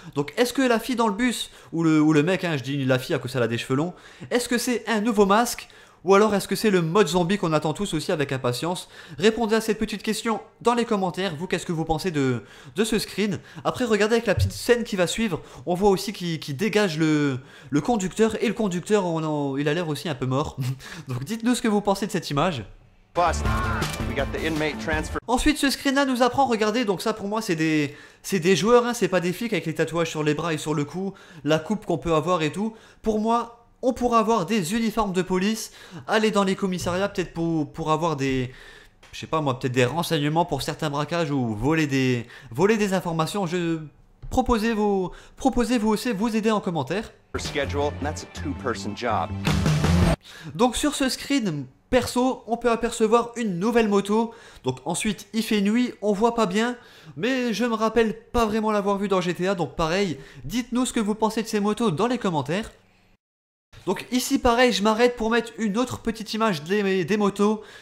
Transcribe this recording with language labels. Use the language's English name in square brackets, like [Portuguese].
[French] Donc est-ce que la fille dans le bus, ou le mec, hein, je dis la fille à cause elle a des cheveux longs, est-ce que c'est un nouveau masque, ou alors est-ce que c'est le mode zombie qu'on attend tous aussi avec impatience? Répondez à cette petite question dans les commentaires, vous qu'est-ce que vous pensez de ce screen. Après regardez avec la petite scène qui va suivre, on voit aussi qu'il dégage le conducteur, et le conducteur il a l'air aussi un peu mort. Donc dites-nous ce que vous pensez de cette image. [English] We got the inmate transfer. [French] Ensuite ce screen là nous apprend, regardez, donc ça pour moi c'est des joueurs, hein, c'est pas des flics avec les tatouages sur les bras et sur le cou, la coupe qu'on peut avoir et tout. Pour moi on pourra avoir des uniformes de police, aller dans les commissariats peut-être pour avoir des, je sais pas moi, peut-être des renseignements pour certains braquages, ou voler des informations. Je proposez-vous aussi, vous aider en commentaire. [English] Schedule, that's a two-person job. [French] Donc sur ce screen perso, on peut apercevoir une nouvelle moto. Donc ensuite, il fait nuit, on voit pas bien, mais je me rappelle pas vraiment l'avoir vu dans GTA. Donc pareil, dites-nous ce que vous pensez de ces motos dans les commentaires. Donc ici, pareil, je m'arrête pour mettre une autre petite image des motos.